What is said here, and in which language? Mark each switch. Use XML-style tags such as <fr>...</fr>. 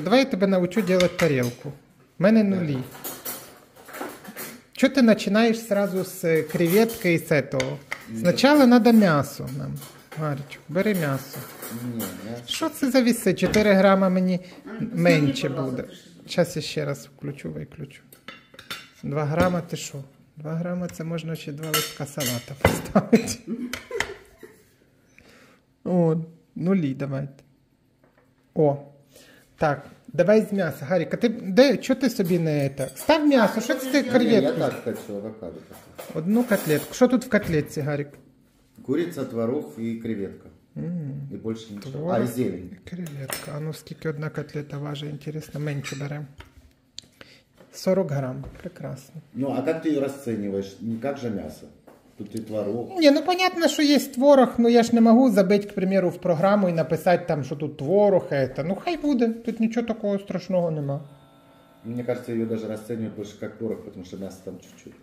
<ru>Давай я тебе научу делать тарелку. У меня нулі. Чего ты начинаешь сразу с креветки и с этого? Сначала надо мясо нам. Гарик, бери мясо. Что это за весы? 4 грамма мне меньше будет. Сейчас я еще раз включу, выключу.</ru> <uk>2 грама, ти що? 2 грама, це можна ще 2 листка салата поставити. О, нулі, давайте. О, так, давай з м'яса. Гаріка, ти, де, чого ти собі не це? Став м'ясо, що це креветку? Я так хочу, авокадо. Одну котлетку. Що тут в котлетці, Гарік? Куриця, творог і креветка. І більше нічого. А, і зелень. Креветка. А ну, скільки одна котлета важить, інтересно. Менше беремо. 40 грамм. Прекрасно.</uk> <ru>Ну, а как ты ее расцениваешь? Не как же мясо? Тут и творог. Не, ну понятно, что есть творог, но я ж не могу забить, к примеру, в программу и написать там, что тут творог это. Ну, хай будет. Тут ничего такого страшного нема. Мне кажется, ее даже расценивают больше как творог, потому что мясо там чуть-чуть.</ru>